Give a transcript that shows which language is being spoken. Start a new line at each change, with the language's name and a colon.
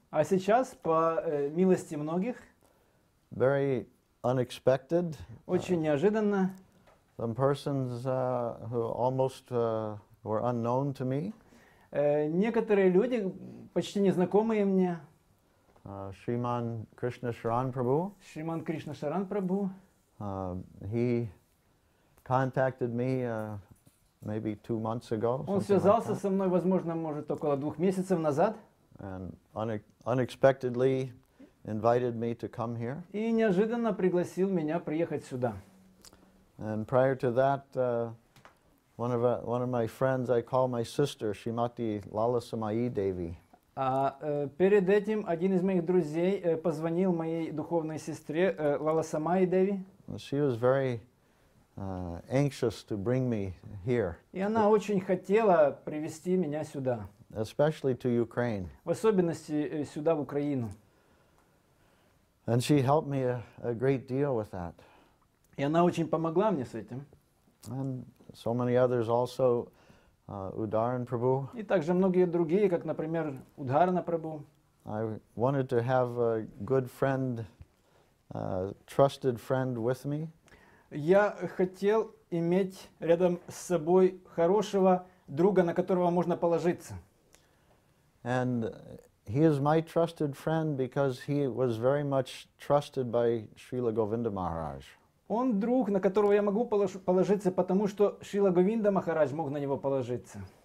Russian: А сейчас по милости многих.
English: Very unexpected.
Russian: Очень неожиданно.
English: Some persons who almost were unknown to me.
Russian: Некоторые люди почти незнакомые мне. Шриман Кришна Шаран Прабху. Шриман Кришна Шаран Прабху.
English: He contacted me maybe 2 months ago.
Russian: Он связался со мной, возможно, может около 2 месяцев назад.
English: And unexpectedly invited me to come here.
Russian: И неожиданно пригласил меня приехать сюда.
English: And prior to that, one of my friends, I call my sister, Shrimati Lala Samayi Devi.
Russian: А перед этим один из моих друзей позвонил моей духовной сестре Лала Самайи Деви.
English: She was very anxious to bring me here.
Russian: И она очень хотела привести меня сюда.
English: Especially to Ukraine.
Russian: В особенности сюда, в Украину.
English: And she helped me a great deal with that.
Russian: И она очень помогла мне с этим.
English: And so many others also. Ударан Прабху.
Russian: И также многие другие, как, например, Ударана Прабху.
English: I wanted to have a good friend, trusted friend with me.
Russian: Я хотел иметь рядом с собой хорошего друга, на которого можно положиться.
English: And he is my trusted friend because he was very much trusted by Srila Govinda Maharaj.
Russian: Он друг, на которого я могу положиться, потому что Шрила Говинда Махарадж мог на него положиться.